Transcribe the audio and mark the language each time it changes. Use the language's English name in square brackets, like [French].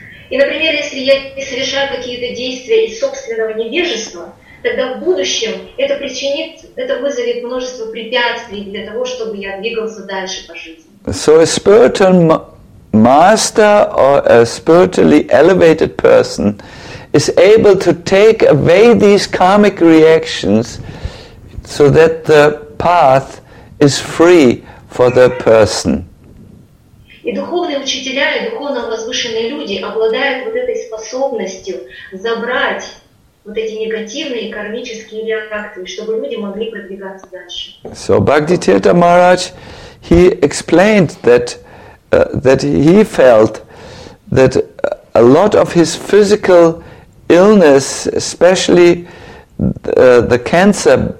[Russian] И, например, если я совершаю какие-то действия из собственного невежества, тогда в будущем это причинит, это вызовет множество препятствий для того, чтобы я двигался дальше по жизни. [English] So a spiritual master or a spiritually elevated person is able to take away these karmic reactions so that the path is free for the person. [Russian] И духовные учителя, и духовно возвышенные люди обладают вот этой способностью забрать вот эти негативные кармические реакции, чтобы люди могли продвигаться дальше. [English] So Bhakti Tirtha Maharaj, he explained that that he felt that a lot of his physical illness, especially the cancer